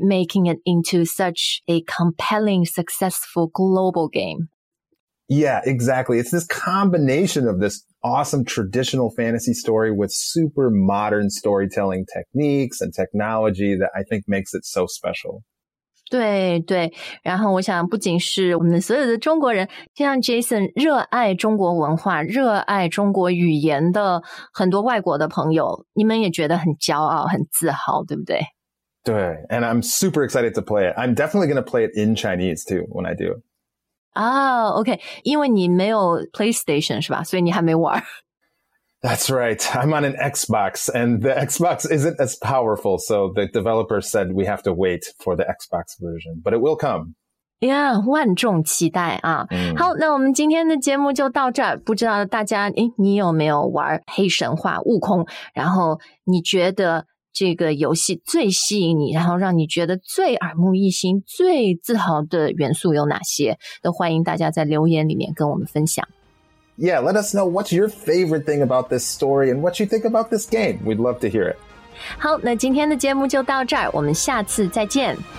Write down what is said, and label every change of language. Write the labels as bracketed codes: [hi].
[en] Making it into such a compelling, successful global game. Yeah, exactly. It's this combination of this awesome traditional fantasy story with super modern storytelling techniques and technology that I think makes it so special. [zh] 对对然后我想不仅是我们所有的中国人像 Jason 热爱中国文化热爱中国语言的很多外国的朋友你们也觉得很骄傲很自豪对不对 [en] 对 and I'm super excited to play it. I'm definitely going to play it in Chinese too when I do. [zh] OK, 因为你没有 PlayStation 是吧所以你还没玩。 [en] That's right. I'm on an Xbox, and the Xbox isn't as powerful, so the developer said we have to wait for the Xbox version, but it will come. [zh] Yeah, 万众期待啊。好，那我们今天的节目就到这儿。不知道大家，你有没有玩《黑神话：悟空》？然后你觉得这个游戏最吸引你，然后让你觉得最耳目一新、最自豪的元素有哪些？都欢迎大家在留言里面跟我们分享。 [en] Yeah, let us know what's your favorite thing about this story and what you think about this game. We'd love to hear it. [zh] 好，那今天的节目就到这儿，我们下次再见。